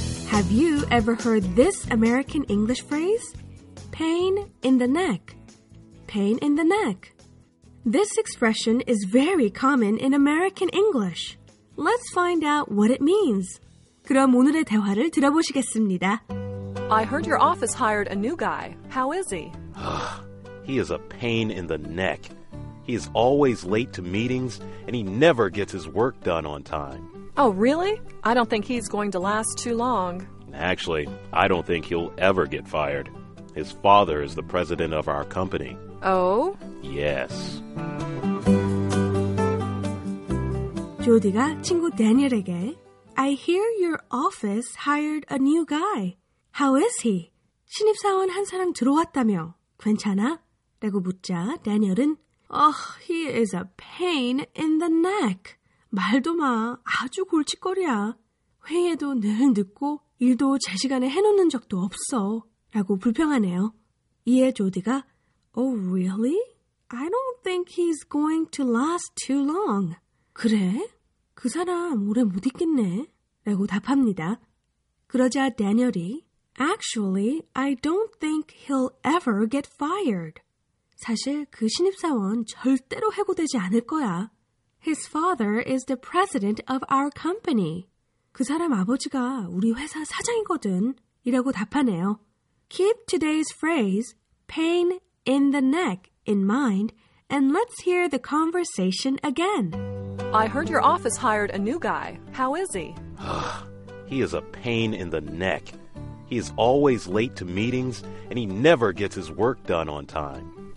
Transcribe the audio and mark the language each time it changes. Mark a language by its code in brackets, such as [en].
[en] Have you ever heard this American English phrase? Pain in the neck. Pain in the neck. This expression is very common in American English. Let's find out what it means. [ko] 그럼 오늘의 대화를 들어보시겠습니다. [en] I heard your office hired a new guy. How is he? He is a pain in the neck. He is always late to meetings, and he never gets his work done on time. Oh, really? I don't think he's going to last too long. Actually, I don't think he'll ever get fired. His father is the president of our company. Oh? Yes. [ko] 조디가 친구 대니엘에게, [en] I hear your office hired a new guy. How is he? [ko] 신입사원 한 사람 들어왔다며, 괜찮아? 라고 묻자 대니엘은, [en] Oh, he is a pain in the neck. [ko] 말도 마, 아주 골칫거리야. 회의에도 늘 늦고 일도 제시간에 해놓는 적도 없어. 라고 불평하네요. 이에 조디가, [en] Oh, really? I don't think he's going to last too long. [ko] 그래? 그 사람 오래 못 있겠네. 라고 답합니다. 그러자 대니얼이, [en] Actually, I don't think he'll ever get fired. [ko] 사실 그 신입사원 절대로 해고되지 않을 거야. [en] His father is the president of our company. [ko] 그 사람 아버지가 우리 회사 사장이거든. 이라고 답하네요. [en] Keep today's phrase, pain in the neck, in mind, and let's hear the conversation again. I heard your office hired a new guy. How is he? He is a pain in the neck. He is always late to meetings, and he never gets his work done on time.